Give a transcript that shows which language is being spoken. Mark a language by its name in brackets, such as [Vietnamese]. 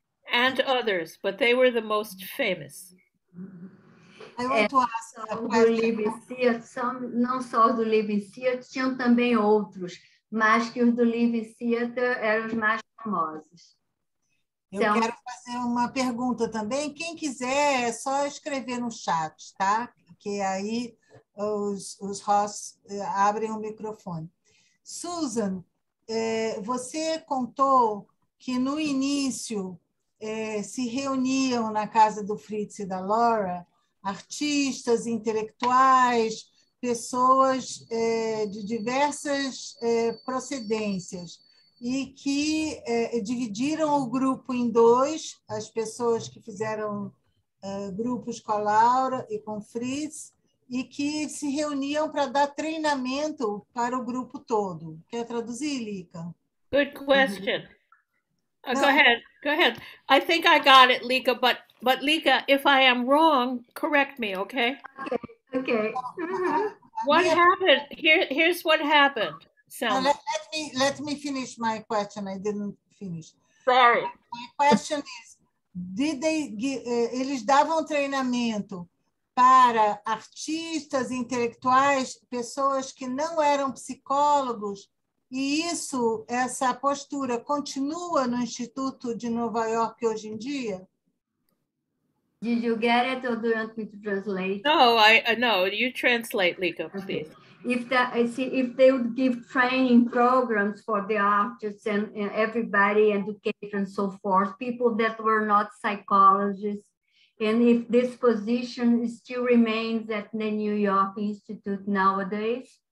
[English] And others, but they were the most famous. I want to ask a question. [Portuguese] Do Living Theater, não só os do Living Theater, tinham também outros, mas que os do Living Theater eram os mais famosos. Eu quero fazer uma pergunta também. Quem quiser, é só escrever no chat, tá? Que aí os hosts abrem o microfone. Susan, você contou que no início se reuniam na casa do Fritz e da Laura artistas, intelectuais, pessoas de diversas procedências e que dividiram o grupo em dois, as pessoas que fizeram grupos com a Laura e com o Fritz, e que se reuniam para dar treinamento para o grupo todo. Quer traduzir, Lika? [English] Good question. Go ahead. I think I got it, Lika, but Lika, if I am wrong, correct me, okay? Okay. What happened? Here's what happened. So let me finish my question. I didn't finish. Sorry. My question is, [Portuguese] eles davam treinamento para artistas, intelectuais, pessoas que não eram psicólogos, e isso, essa postura, continua no Instituto de Nova York hoje em dia? [English] Did you get it or do you want me to translate? No, you translate, Lika, please. Okay. If they would give training programs for the artists and everybody, education and so forth, people that were not psychologists, and if this position still remains at the New York Institute nowadays?